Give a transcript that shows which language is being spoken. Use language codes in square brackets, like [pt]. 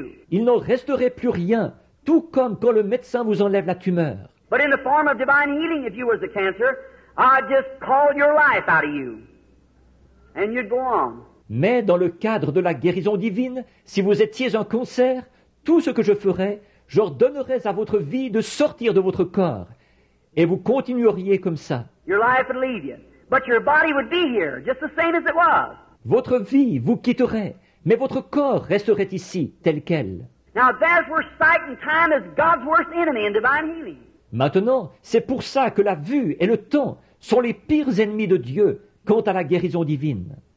[fr] Il n'en resterait plus rien, tout comme quand le médecin vous enlève la tumeur. [en] But in the form of divine healing, if you were the cancer, I'd just call your life out of you. And you'd go on. [fr] Mais dans le cadre de la guérison divine, si vous étiez un cancer, tout ce que je ferais, j'ordonnerais à votre vie de sortir de votre corps. Et vous continueriez comme ça. [en] Your life would leave you. But your body would be here, just the same as it was. [fr] Votre vie vous quitterait, mais votre corps resterait ici, tel quel. [en] Now that's where sight and time is God's worst enemy in divine healing. [fr] Maintenant, c'est pour ça que la vue et le temps sont les pires ennemis de Dieu quant à la guérison divine.